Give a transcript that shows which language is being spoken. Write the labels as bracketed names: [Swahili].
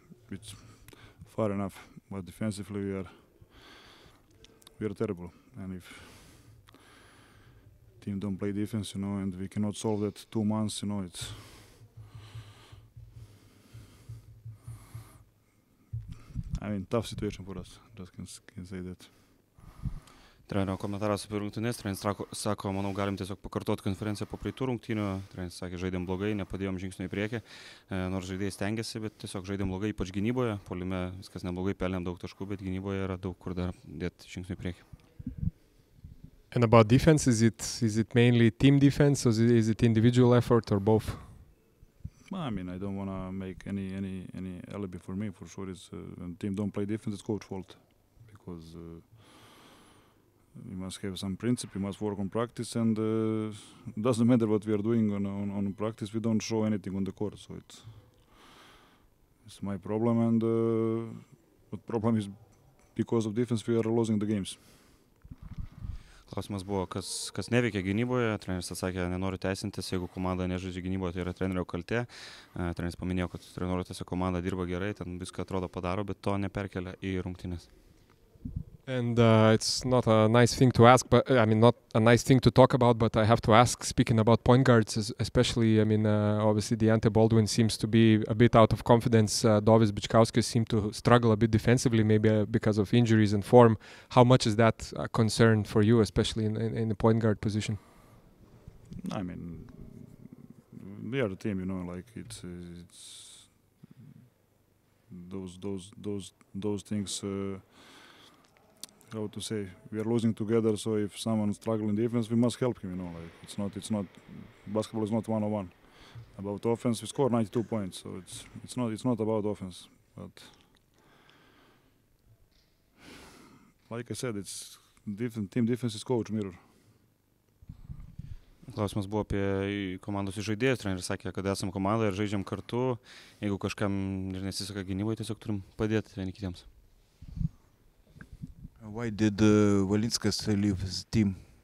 [English] It's far enough, but defensively we are terrible. And if team don't play defense, you know, and we cannot solve that 2 months, you know, tough situation for us. Just can say that. [Lithuanian] Trenerio komentaras apie rungtynės, treneris sako, manau, galim tiesiog pakartoti konferenciją po praeitų rungtynių. Treneris sakė, žaidėm blogai, nepadėjom žingsnio į priekį, nors žaidėjai stengiasi, bet tiesiog žaidėm blogai, ypač gynyboje. Puolime viskas neblogai, pelnėm daug taškų, bet gynyboje yra daug kur dar dėti žingsnio į priekį. [English] And about defense, is it mainly team defense, or is it individual effort, or both? I mean, I don't want to make any alibi for me, for sure. When team don't play defense, it's coach fault, because we must have some principle, we must work on practice, and doesn't matter what we are doing on practice, we don't show anything on the court, so it's my problem, and the problem is because of defense we are losing the games. [Lithuanian] Klausimas buvo, kas neveikia gynyboje. Treneris atsakė, nenoriu teisintis, jeigu komanda nežaidžia gynyboje, tai yra trenerio kaltė. Treneris paminėjo, kad treniruotėse komanda dirba gerai, ten viską atrodo padaro, bet to neperkelia į rungtynes. [English] And it's not a nice thing to ask, but I mean, not a nice thing to talk about, but I have to ask, speaking about point guards, especially, I mean, obviously, Deontay Baldwin seems to be a bit out of confidence. Dovis Bičkauskis seemed to struggle a bit defensively, maybe because of injuries and form. How much is that a concern for you, especially in the point guard position? I mean, we are a team, you know, like it's those things. How to say, we are losing together, so if someone is struggling defense, we must help him, you know, like it's not basketball is not 1-on-1. About offense, we score 92 points, so it's not about offense, but like I said, it's different team defense is coach mirror. [Lithuanian] Klausimas buvo apie komandos žaidėjus. Treneris sakė, kad esam komanda ir žaidžiam kartu. Jeigu kažkam ir nesiseka gynyboje, tiesiog turim padėti vieni kitiems. [English] Why did Valinskas leave his team?